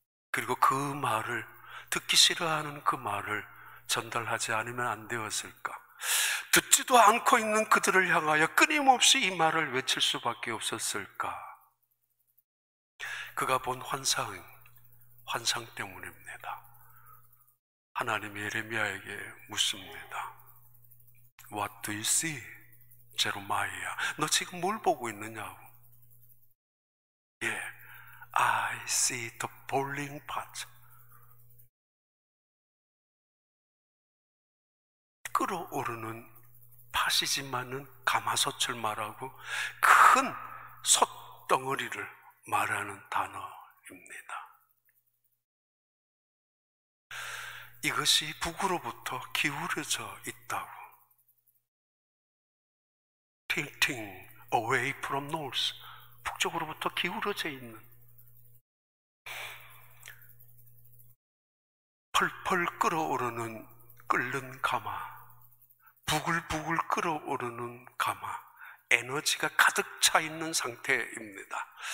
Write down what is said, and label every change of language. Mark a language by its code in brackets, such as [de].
[ko] 그리고 그 말을 듣기 싫어하는 그 말을 전달하지 않으면 안 되었을까? 듣지도 않고 있는 그들을 향하여 끊임없이 이 말을 외칠 수밖에 없었을까? 그가 본 환상 때문입니다. 하나님이 예레미야에게 묻습니다. [en] What do you see, Jeremiah? [ko] 너 지금 뭘 보고 있느냐고. [en] Yeah, I see the boiling pot. [ko] 끓어오르는 팥이지만은 가마솥을 말하고 큰 솥덩어리를 말하는 단어입니다. 이것이 북으로부터 기울어져 있다고. [en] Tilting away from north. [ko] 북쪽으로부터 기울어져 있는 펄펄 끓어오르는 끓는 가마, 부글부글 끓어오르는 가마, 에너지가 가득 차 있는 상태입니다.